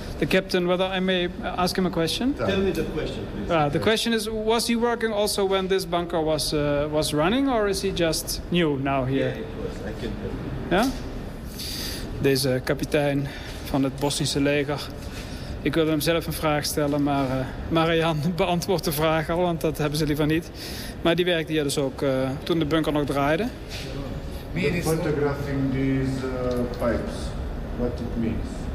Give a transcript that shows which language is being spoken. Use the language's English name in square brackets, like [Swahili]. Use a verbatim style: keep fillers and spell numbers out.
[English] The captain, whether I may ask him a question? Tell me the question, please. Uh, the question is, was he working also when this bunker was uh, was running, or is he just new now here? Yeah, it was. I can tell you. Yeah? [Dutch] Deze kapitein van het Bosnische leger. Ik wilde hem zelf een vraag stellen, maar uh, Marian beantwoordt de vraag al, want dat hebben ze liever niet. Maar die werkte hier dus ook uh, toen de bunker nog draaide. [English] The photographing these uh, pipes, what it means.